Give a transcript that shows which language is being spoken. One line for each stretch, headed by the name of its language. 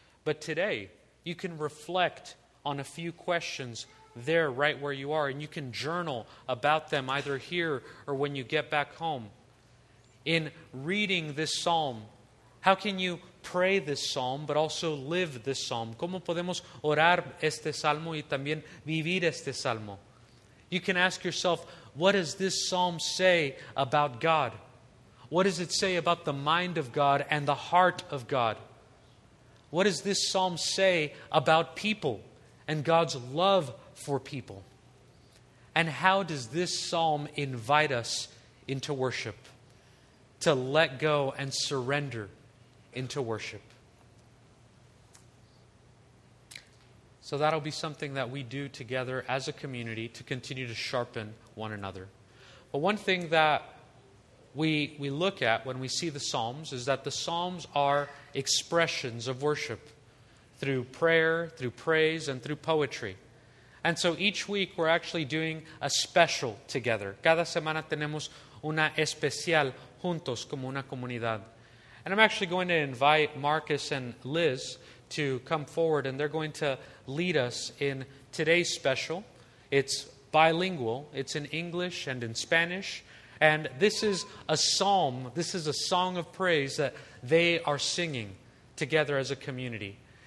English: But today, you can reflect on a few questions there right where you are, and you can journal about them either here or when you get back home. In reading this psalm, how can you pray this psalm, but also live this psalm?
Spanish: ¿Cómo podemos orar este salmo y también vivir este salmo?
English: You can ask yourself, what does this psalm say about God? What does it say about the mind of God and the heart of God? What does this psalm say about people and God's love for people. And how does this psalm invite us into worship? To let go and surrender into worship. So that'll be something that we do together as a community to continue to sharpen one another. But one thing that we look at when we see the Psalms is that the Psalms are expressions of worship through prayer, through praise, and through poetry. And so each week we're actually doing a special together.
Spanish: Cada semana tenemos una especial juntos como una comunidad.
English: And I'm actually going to invite Marcus and Liz to come forward, and they're going to lead us in today's special. It's bilingual. It's in English and in Spanish. And this is a psalm. This is a song of praise that they are singing together as a community.